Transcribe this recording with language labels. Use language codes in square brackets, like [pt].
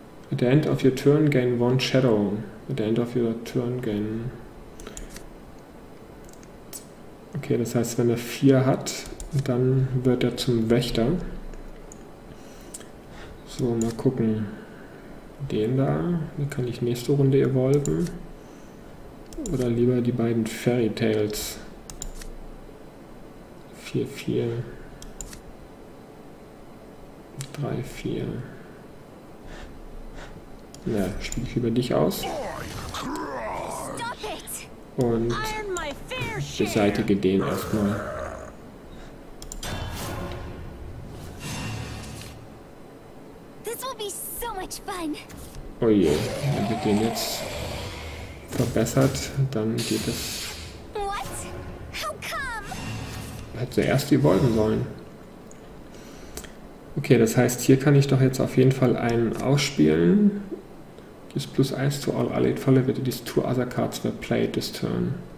[en] At the end of your turn gain one shadow. At the end of your turn gain. [de] Okay, das heißt, wenn er 4 hat, dann wird er zum Wächter. So, mal gucken. Den da, den kann ich nächste Runde evolven. Oder lieber die beiden Fairy Tales. 4, 4. 3, 4. Na, spiele ich über dich aus. Und beseitige den erstmal. [en] This will be so much fun. [de] Oh je, wenn wir den jetzt verbessert, dann geht es. [en] What? How come? [de] hätte zuerst die Wolken sollen. Okay, das heißt, hier kann ich doch jetzt auf jeden Fall einen ausspielen. [en] This plus 1 to all allied followers, wenn these two other cards were played this turn.